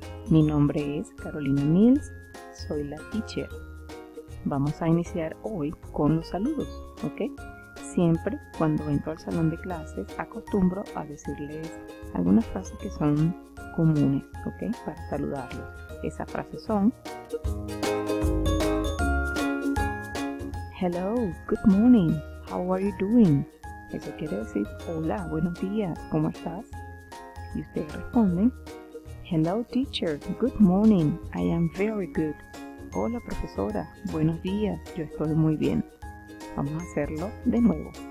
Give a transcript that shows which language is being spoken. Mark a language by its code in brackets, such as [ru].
[es] Mi nombre es Carolina Mills, soy la teacher. Vamos a iniciar hoy con los saludos, ¿ok? Siempre cuando entro al salón de clases, acostumbro a decirles algunas frases que son comunes, ¿ok? Para saludarlos. Esas frases son: [en] Hello, good morning, how are you doing? [es] Eso quiere decir, hola, buenos días, ¿cómo estás? Y ustedes responden, [en] Hello teacher, good morning, I am very good. [es] Hola profesora, buenos días, yo estoy muy bien. Vamos a hacerlo de nuevo.